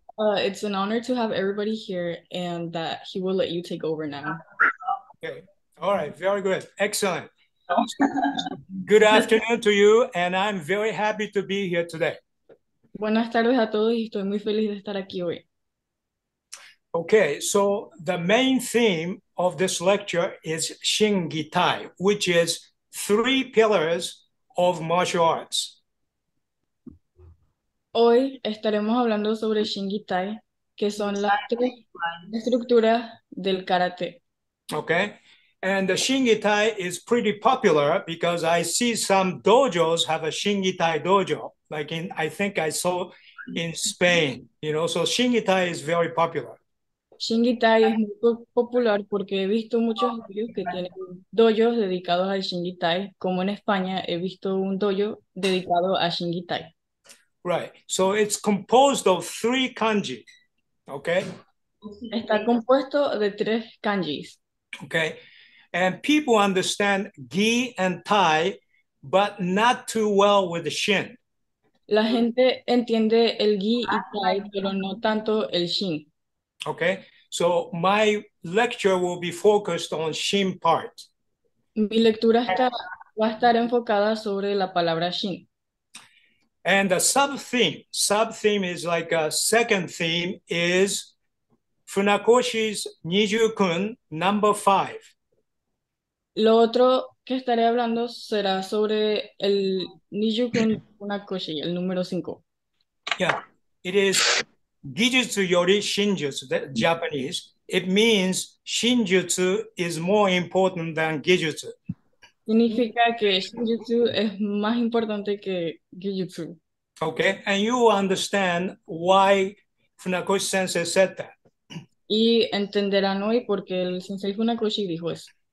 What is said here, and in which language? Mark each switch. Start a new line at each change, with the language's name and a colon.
English: it's an honor to have everybody here and that he will let you take over now. Okay. All right. Very good. Excellent. Good afternoon to you. And I'm very happy to be here today.
Spanish: Buenas tardes a todos y estoy muy feliz de estar aquí hoy.
English: Okay. So the main theme of this lecture is Shin Gi Tai, which is 3 pillars of martial arts.
Spanish: Hoy estaremos hablando sobre Shin Gi Tai, que son las 3 estructuras del karate.
English: Okay, and the Shin Gi Tai is pretty popular because I see some dojos have a Shin Gi Tai dojo, like in, I think I saw in Spain, so Shin Gi Tai is very popular.
Spanish: Shin Gi Tai es muy popular porque he visto muchos dojos que tienen dojos dedicados al Shin Gi Tai, como en España he visto un dojo dedicado a Shin Gi Tai.
English: Right, so it's composed of 3 kanji, okay?
Spanish: Está compuesto de 3 kanjis.
English: Okay, and people understand gi and tai, but not too well with the shin.
Spanish: La gente entiende el gi y tai, pero no tanto el shin.
English: Okay, so my lecture will be focused on shin part.
Spanish: Mi lectura va a estar enfocada sobre la palabra shin.
English: And the sub-theme is like a second theme, is Funakoshi's Nijuu-kun number 5.
Spanish: Lo otro que estaré hablando será sobre el Nijukun Funakoshi, el número 5.
English: Yeah, it is Gijutsu yori Shinjutsu, the Japanese. It means Shinjutsu is more important than Gijutsu.
Spanish: Significa que Shinjutsu es más importante que Gijutsu.
English: Okay, and you understand why Funakoshi sensei said that.
Spanish: Y entenderán hoy por qué el sensei Funakoshi dijo eso.